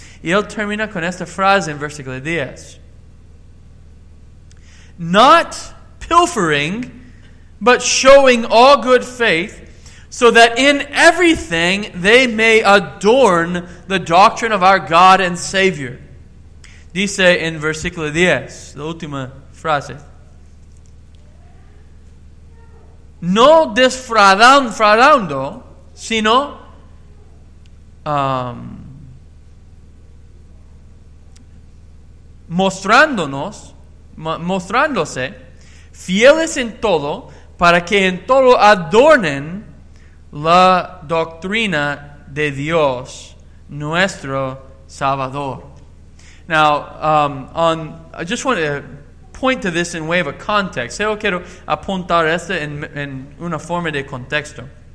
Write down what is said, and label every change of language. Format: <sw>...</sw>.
<es>Y él termina con esta frase en versículo 10.</es> <en>Not pilfering, but showing all good faith, so that in everything they may adorn the doctrine of our God and Savior.</en> <es>Dice in versículo 10, la última frase. No desfraudando, sino mostrándose fieles en todo, para que en todo adornen la doctrina de Dios, nuestro Salvador.</es> <en>Now, I just want to point to this in way of a context.</en> <es>Yo quiero apuntar esto en una forma de contexto.</es>